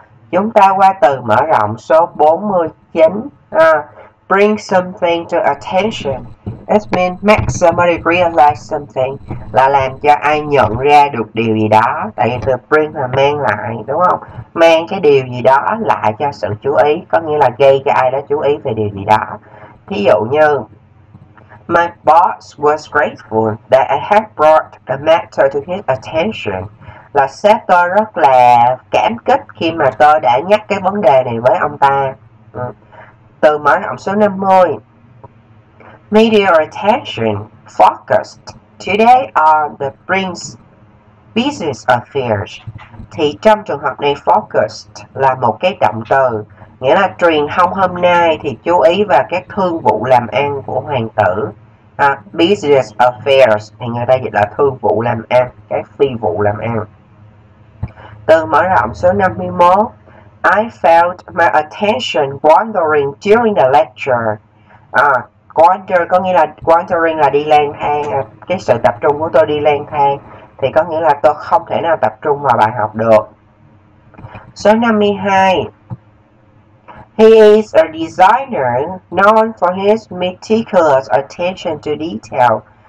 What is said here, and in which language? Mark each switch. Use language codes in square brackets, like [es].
[vi] Chúng ta qua từ mở rộng số 49, [en] bring something to attention. It means make somebody realize something, [vi] là làm cho ai nhận ra được điều gì đó. Tại vì từ bring là mang lại, đúng không? Mang cái điều gì đó lại cho sự chú ý, có nghĩa là gây cho ai đó chú ý về điều gì đó. Thí dụ như [en] my boss was grateful that I had brought the matter to his attention. [vi] Là sếp tôi rất là cảm kích khi mà tôi đã nhắc cái vấn đề này với ông ta. Từ mở rộng số 50. [en] Media attention focused today on the prince business affairs. [vi] Thì trong trường hợp này focused là một cái động từ. Nghĩa là truyền thông hôm nay thì chú ý vào các thương vụ làm ăn của hoàng tử. [en] Business affairs [vi] thì người ta dịch là thương vụ làm ăn, các phi vụ làm ăn. Từ mở rộng số 51. [en] I felt my attention wandering during the lecture. [vi] Wander có nghĩa là wandering là đi lang thang, cái sự tập trung của tôi đi lang thang thì có nghĩa là tôi không thể nào tập trung vào bài học được. Số 52. [en] He is a designer known for his meticulous attention to detail.